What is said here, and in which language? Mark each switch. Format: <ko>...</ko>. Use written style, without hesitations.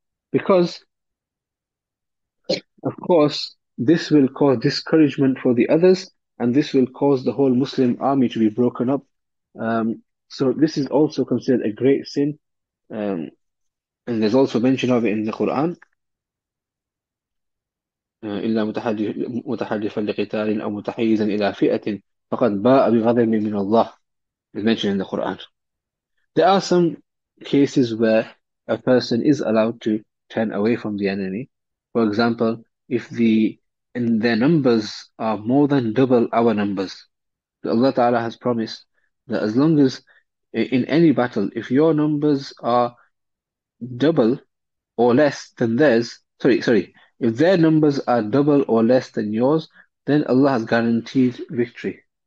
<en>Because, of course, this will cause discouragement for the others, and this will cause the whole Muslim army to be broken up. So this is also considered a great sin, and there's also mention of it in the Quran.</en> <ar>إلا متحدفا لقتال أو متحيزا إلى فئة فقد باء بغضب من الله.</ar> <en>It's mentioned in the Quran. There are some cases where a person is allowed to turn away from the enemy. For example, if the And their numbers are more than double our numbers. But Allah Ta'ala has promised that as long as in any battle, if your numbers are double or less than theirs, sorry, if their numbers are double or less than yours, then Allah has guaranteed victory.</en>